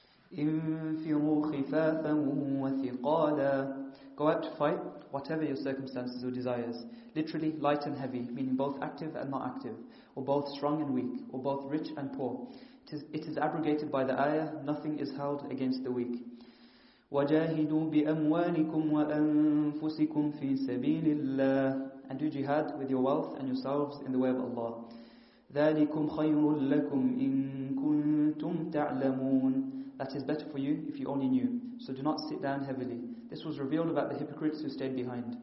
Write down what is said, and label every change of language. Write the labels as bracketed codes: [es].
[ar] انفروا خفافا وثقالا. [en] Go out to fight, whatever your circumstances or desires. Literally, light and heavy, meaning both active and not active, or both strong and weak, or both rich and poor. It is abrogated by the ayah, "Nothing is held against the weak." [ar] وجاهدوا بأموالكم وأنفسكم في سبيل الله. [en] and do jihad with your wealth and yourselves in the way of Allah. [ar] ذَلِكُمْ خَيْرٌ لَكُمْ إِن كُنْتُمْ تَعْلَمُونَ. [en] That is better for you if you only knew. So do not sit down heavily. This was revealed about the hypocrites who stayed behind.